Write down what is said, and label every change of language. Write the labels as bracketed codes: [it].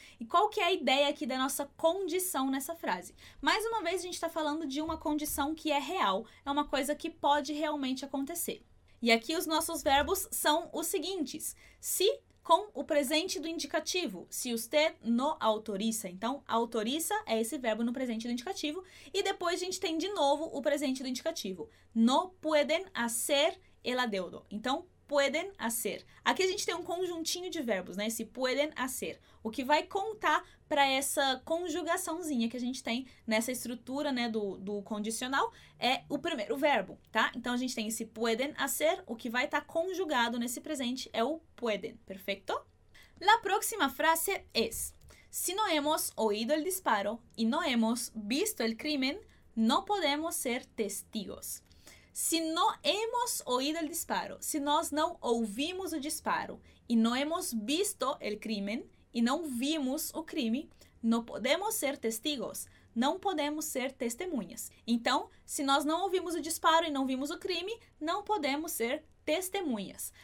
[pt] E qual que é a ideia aqui da nossa condição nessa frase? Mais uma vez, a gente está falando de uma condição que é real, é uma coisa que pode realmente acontecer. E aqui os nossos verbos são os seguintes, se com o presente do indicativo, [es] se usted no autoriza. [pt] Então, autoriza é esse verbo no presente do indicativo. E depois a gente tem de novo o presente do indicativo. [es] No pueden hacer el adeudo. [pt] Então, pueden hacer. Aqui a gente tem um conjuntinho de verbos, né? Esse pueden hacer. O que vai contar para essa conjugaçãozinha que a gente tem nessa estrutura, né, do condicional é o primeiro verbo, tá? Então, a gente tem esse pueden hacer. O que vai estar conjugado nesse presente é o pueden. Perfeito? [es] La próxima frase es: si no hemos oído el disparo y no hemos visto el crimen, no podemos ser testigos. [pt] Se não [es] hemos oído el disparo, [pt] se nós não ouvimos o disparo e não [es] hemos visto el crimen [pt] e não vimos o crime, não podemos ser testigos, não podemos ser testemunhas. Então, se nós não ouvimos o disparo e não vimos o crime, não podemos ser testemunhas.